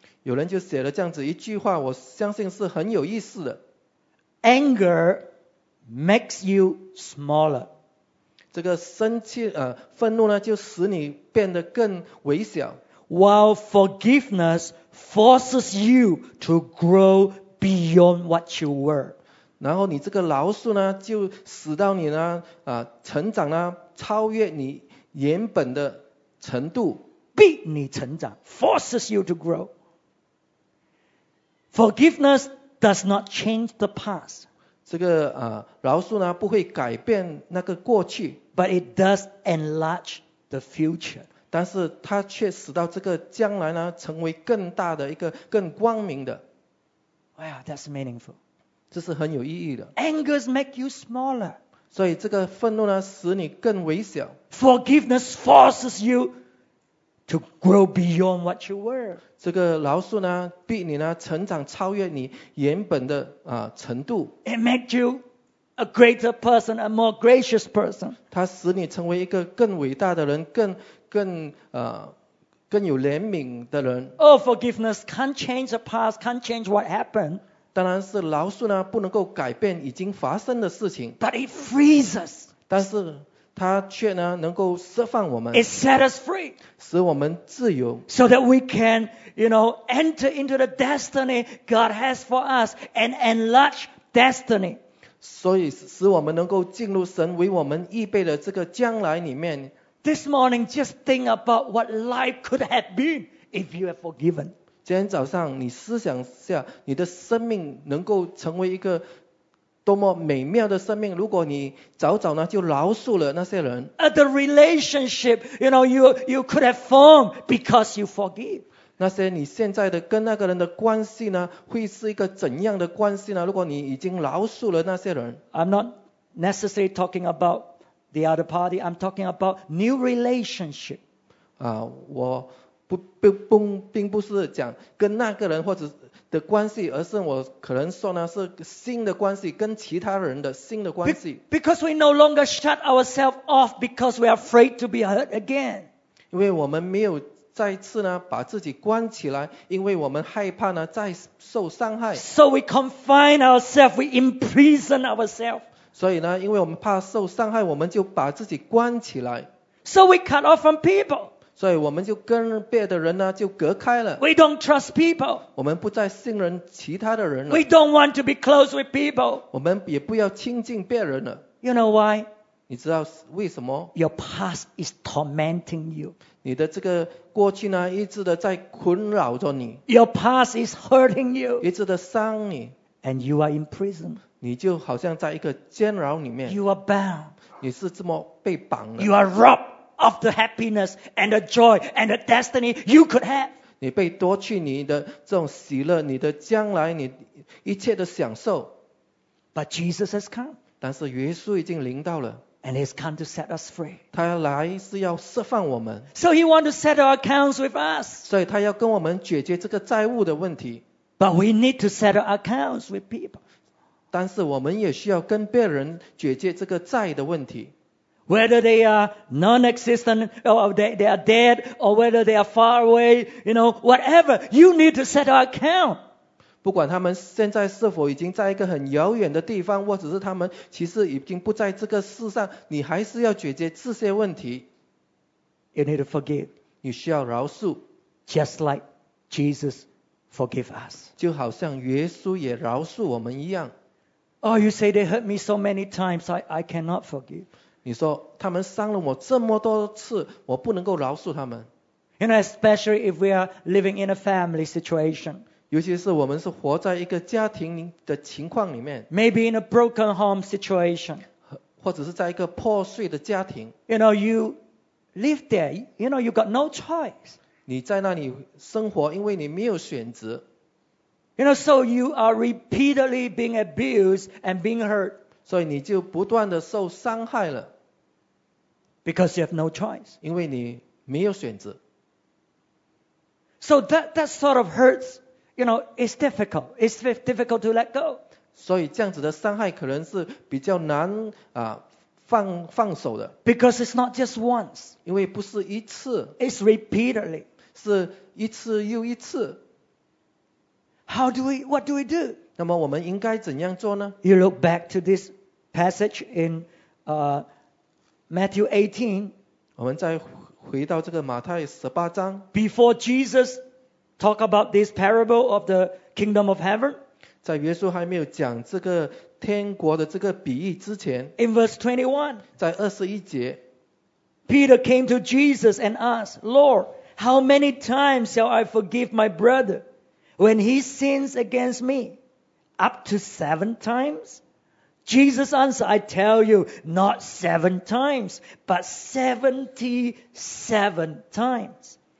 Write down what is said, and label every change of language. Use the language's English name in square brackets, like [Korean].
[Chinese] 有人就写了这样子一句话，我相信是很有意思的。 [English] Anger makes you smaller. [Chinese] 这个生气愤怒呢就使你变得更微小。 [English] While forgiveness forces you to grow beyond what you were. [Chinese] 然后你这个饶恕呢就使到你呢成长呢超越你原本的程度，逼你成长 [English] ，forces you to grow. Forgiveness does not change the past. [Chinese] 这个饶恕呢不会改变那个过去 [English] ，but it does enlarge the future. [Chinese] 但是它却使到这个将来呢成为更大的一个更光明的。 [English] Wow, that's meaningful. [Chinese] 这是很有意义的。 [English] Angers make you smaller. [Chinese] 所以这个愤怒呢，使你更微小。 [English] Forgiveness forces you to grow beyond what you were. [Chinese] 这个饶恕呢，逼你呢成长超越你原本的程度。 [English] It makes you a greater person, a more gracious person. [Chinese] 它使你成为一个更伟大的人，更有怜悯的人。 [English] Oh, forgiveness can't change the past, can't change what happened. [Chinese] 当然是饶恕呢，不能够改变已经发生的事情。 [English] But it frees us. [Chinese] 但是它却呢，能够释放我们。 [English] It sets us free. [Chinese] 使我们自由。 [English] So that we can, enter into the destiny God has for us and enlarge destiny. [Chinese] 所以使我们能够进入神为我们预备的这个将来里面。 [English] This morning, just think about what life could have been if you have forgiven. [Chinese] 今天早上你思想一下你的生命能够成为一个多么美妙的生命如果你早早呢就饶恕了那些人。 [English] The relationship, you could have formed because you forgive. [Chinese] 那些你现在的跟那个人的关系呢会是一个怎样的关系呢如果你已经饶恕了那些人。 [English] I'm not necessarily talking about the other party, I'm talking about new relationship. [Chinese] 我并不是讲跟那个人或者的关系，而是我可能说呢是新的关系，跟其他人的新的关系。 [English] Because we no longer shut ourselves off because we are afraid to be hurt again. [Chinese] 因为我们没有再次呢把自己关起来，因为我们害怕呢再受伤害。 [English] So we confine ourselves, we imprison ourselves. [Chinese] 所以呢，因为我们怕受伤害，我们就把自己关起来。 [English] So we cut off from people. [Chinese] 所以我们就跟别的人呢就隔开了。 [English] We don't trust people. [Chinese] 我们不再信任其他的人了。 [English] We don't want to be close with people. [Chinese] 我们也不要亲近别人了。 [English] You know why? [Chinese] 你知道为什么？ [English] Your past is tormenting you. [Chinese] 你的这个过去呢一直的在困扰着你。 [English] Your past is hurting you. [Chinese] 一直的伤你。 [English] And you are in prison. [Chinese] 你就好像在一个监牢里面。 [English] You are bound. [Chinese] 你是这么被绑的。 [English] You are robbed. Of the happiness and the joy and the destiny you could have. [Chinese] 你被夺去你的这种喜乐，你的将来，你一切的享受。 [English] But Jesus has come. [Chinese] 但是耶稣已经临到了。 [English] And he's come to set us free. [Chinese] 他来是要释放我们。 [English] So he wants to settle accounts with us. [Chinese] 所以他要跟我们解决这个债务的问题。 [English] But we need to settle accounts with people. [Chinese] 但是我们也需要跟别人解决这个债的问题。 [English] Whether they are non-existent or they are dead or whether they are far away, you know, whatever, you need to settle account. [Chinese] 不管他们现在是否已经在一个很遥远的地方，或者是他们其实已经不在这个世上，你还是要解决这些问题。 [English] You need to forgive. [Chinese] 你需要饶恕。 [English] Just like Jesus forgave us. [Chinese] 就好像耶稣也饶恕我们一样。 [English] Oh, you say they hurt me so many times, I cannot forgive. [Chinese] 你说他们伤了我这么多次，我不能够饶恕他们。 [English] You know, especially if we are living in a family situation. [Chinese] 尤其是我们是活在一个家庭的情况里面。 [English] Maybe in a broken home situation. [Chinese] 或者是在一个破碎的家庭。 [English] You know, you live there. You know, you got no choice. [Chinese] 你在那里生活，因为你没有选择。 [English] You know, so you are repeatedly being abused and being hurt. [Chinese] 所以你就不断地受伤害了。 [English] Because you have no choice. [Chinese] 因为你没有选择。 [English] So that sort of hurts, you know, it's difficult. It's difficult to let go. [Chinese] 所以这样子的伤害可能是比较难放手的。 [English] Because it's not just once. [Chinese] 因为不是一次。 [English] It's repeatedly. [Chinese] 是一次又一次。 [English] How do we? What do we do? [Chinese] 那么我们应该怎样做呢？ [English] You look back to this passage in Matthew 18. [Chinese] 我们再回到这个马太十八章。 [English] Before Jesus talk about this parable of the kingdom of heaven. [Chinese] 在耶稣还没有讲这个天国的这个比喻之前。 [English] In verse 21. [Chinese] 在二十一节。 [English] Peter came to Jesus and asked, Lord, how many times shall I forgive my brother? When he sins against me, up to seven times? Jesus answered, I tell you, not seven times, but 77 times.